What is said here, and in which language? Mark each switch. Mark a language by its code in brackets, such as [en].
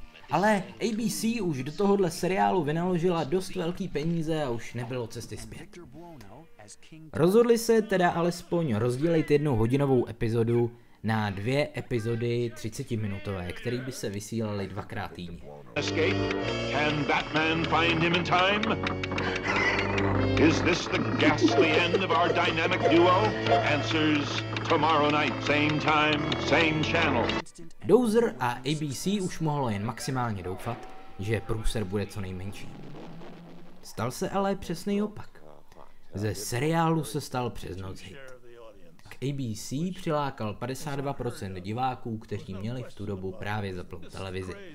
[cs] Ale ABC už do tohohle seriálu vynaložila dost velký peníze a už nebylo cesty zpět. Rozhodli se teda alespoň rozdělit jednu hodinovou epizodu na 2 epizody 30-minutové, které by se vysílaly 2x týdně. [en] Escape? Can Batman find him in time? Is this the ghastly end of our dynamic duo? Answers tomorrow night, same time, same channel. [cs] Dozer a ABC už mohlo jen maximálně doufat, že průser bude co nejmenší. Stal se ale přesný opak. Ze seriálu se stal přes noc hit. K ABC přilákal 52% diváků, kteří měli v tu dobu právě zapnout televizi.